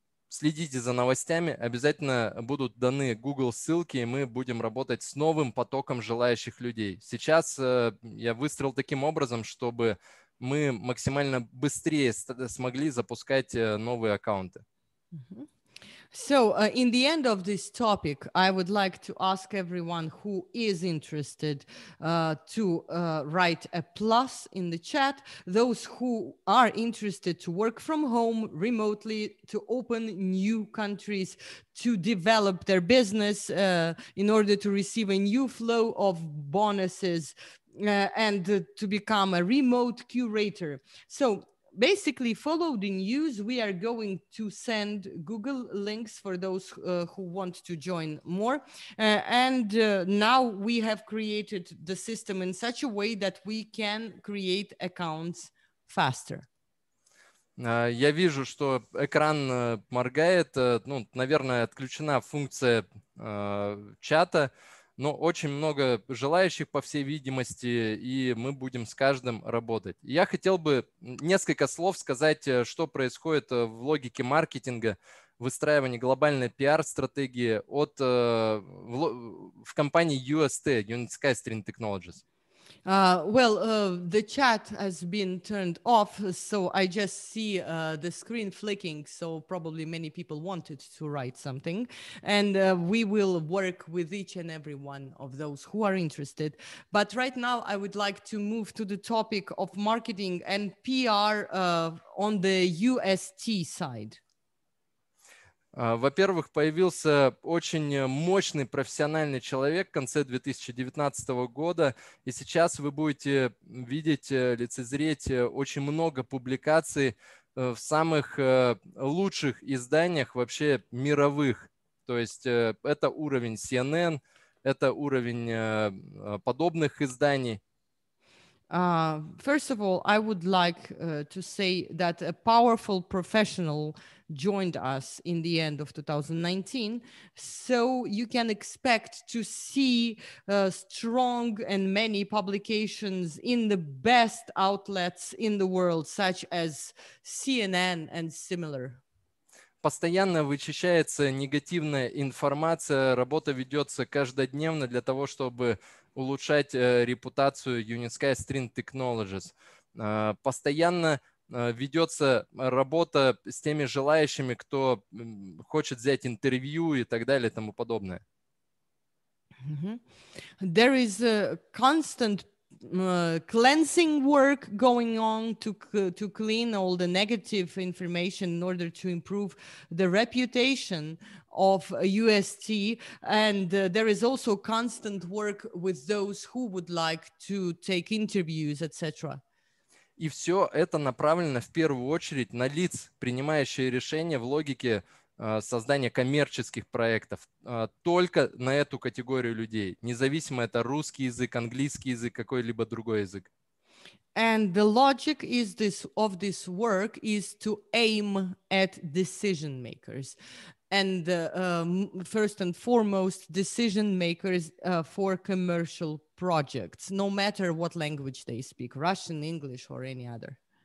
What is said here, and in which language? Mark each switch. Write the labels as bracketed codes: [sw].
[ru] Следите за новостями, обязательно будут даны Google ссылки, и мы будем работать с новым потоком желающих людей. Сейчас я выстроил таким образом, чтобы мы максимально быстрее смогли запускать новые аккаунты. [en] So, in the end of this topic, I would like to ask everyone who is interested to write a plus in the chat. Those who are interested to work from home remotely, to open new countries, to develop their business in order to receive a new flow of bonuses and to become a remote curator. So, basically, follow the news. We are going to send Google links for those who want to join more. Now we have created the system in such a way that we can create accounts faster. [ru] Я вижу, что экран моргает. Ну, наверное, отключена функция чата. Но очень много желающих, по всей видимости, и мы будем с каждым работать. Я хотел бы несколько слов сказать, что происходит в логике маркетинга, выстраивания глобальной пиар-стратегии в компании UST, Unity SkyString Technologies. [en] The chat has been turned off, so I just see the screen flicking, so probably many people wanted to write something, and we will work with each and every one of those who are interested. But right now I would like to move to the topic of marketing and PR on the UST side. [ru] Во-первых, появился очень мощный профессиональный человек в конце 2019 года, и сейчас вы будете видеть, лицезреть очень много публикаций в самых лучших изданиях вообще мировых. То есть это уровень CNN, это уровень подобных изданий. [en] First of all, I would like to say that a powerful professional joined us in the end of 2019, so you can expect to see strong and many publications in the best outlets in the world, such as CNN and similar. [ru] Постоянно вычищается негативная информация, работа ведется каждодневно для того, чтобы улучшать репутацию Unisky String Technologies. Постоянно ведется работа с теми желающими, кто хочет взять интервью и так далее и тому подобное. [en] There is a constant cleansing work going on to clean all the negative information in order to improve the reputation of UST, and there is also constant work with those who would like to take interviews, etc. [ru] И все это направлено в первую очередь на лиц, принимающие решения в логике создания коммерческих проектов, только на эту категорию людей, независимо это русский язык, английский язык, какой-либо другой язык. [en] And the logic is this, of this work is to aim at decision makers. And first and foremost, decision makers for commercial projects, no matter what language they speak, Russian, English or any other.